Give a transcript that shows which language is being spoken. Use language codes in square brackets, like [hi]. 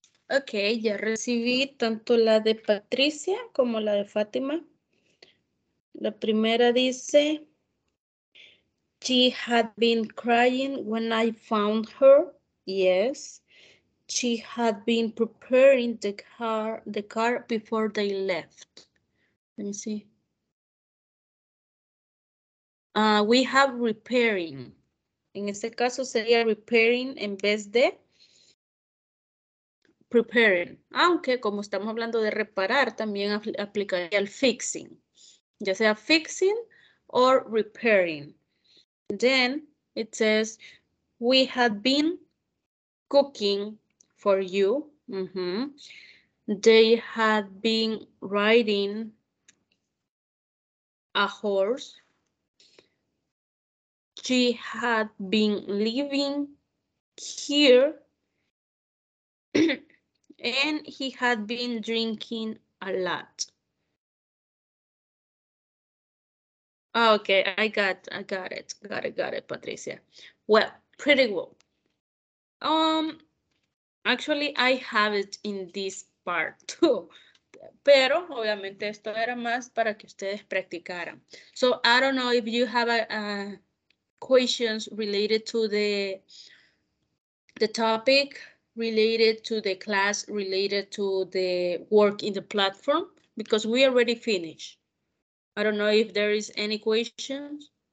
[es] Ok, ya recibí tanto la de Patricia como la de Fátima. La primera dice, [en] she had been crying when I found her. Yes, she had been preparing the car before they left. Let me see. We have repairing. [es] En este caso sería repairing en vez de preparing, aunque como estamos hablando de reparar, también aplicaría el fixing, ya sea [en] fixing or repairing. Then it says, we had been cooking for you. Mm-hmm. They had been riding a horse. She had been living here. And he had been drinking a lot. Okay, I got it, Patricia. Well, pretty well. Actually, I have it in this part too. [es] Pero obviamente esto era más para que ustedes practicaran. [en] So I don't know if you have a questions related to the topic. Related to the class, related to the work in the platform, because we already finished. I don't know if there is any questions.